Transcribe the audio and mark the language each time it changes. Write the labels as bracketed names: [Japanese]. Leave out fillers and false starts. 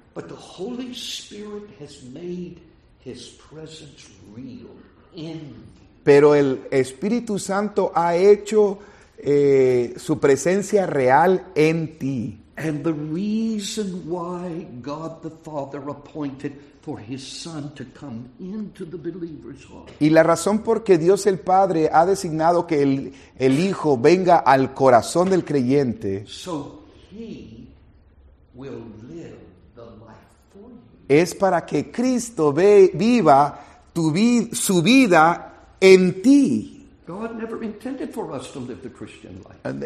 [English] But the Holy Spirit has made his presence real in you. [Spanish] Pero el Espíritu Santo ha hecho su presencia real en ti. [English] And the reason why God the Father appointed for his son to come into the believer's heart. [Spanish] Y la razón por que Dios el Padre ha designado que el hijo venga al corazón del creyente. [English] So he will live the life for you. [Spanish] Es para que Cristo viva su vida en ti. [English] God never intended for us to live the Christian life.